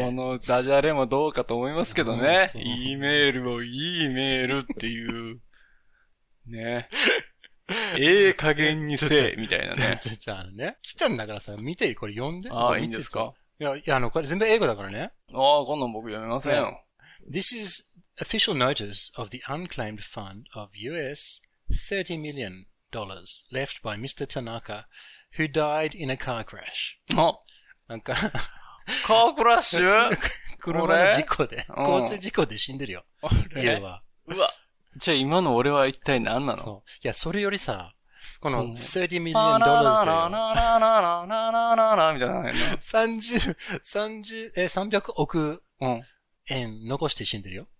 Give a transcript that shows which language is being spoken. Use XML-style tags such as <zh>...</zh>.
<ja>このダジャレもどうかと思いますけどね。うん、いいメールをいいメールっていう。ね。ええ加減にせえ、みたいなね。じゃあね。来たんだからさ、見て、これ読んで。ああ、いいんですか？いや、これ全部英語だからね。ああ、こんなん僕読めませんよ。</ja> <en>This is official notice of the unclaimed fund of US $30 million left by Mr. Tanaka, who died in a car crash. あ、なんか、カークラッシュ</en> <ja>車の事故で、交通事故で死んでるよ。家は。うわ。じゃあ今の俺は一体何なの？そう。いや、それよりさ、この$30 million で。 300億円残して死んでるよ。</ja>